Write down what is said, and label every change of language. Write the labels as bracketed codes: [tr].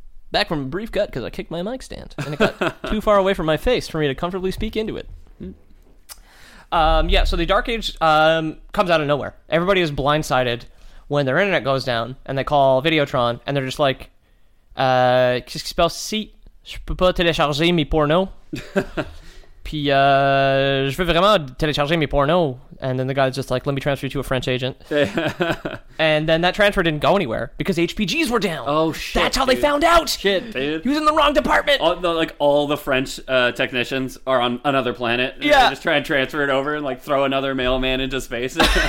[en] Back from a brief cut because I kicked my mic stand. And it got too far away from my face for me to comfortably speak into it. So the Dark Age comes out of nowhere. Everybody is blindsided when their internet goes down and they call Videotron and they're just like, spell seat. [fr] Je peux pas télécharger mes pornos. Puis, je veux vraiment télécharger mes pornos. [en] And then the guy's just like, let me transfer you to a French agent. And then that transfer didn't go anywhere because HPGs were down. Oh, shit. That's how dude. They found out. Shit, dude. He was in the wrong department. All the French technicians are on another planet. And yeah. They just try and transfer it over and like throw another mailman into space.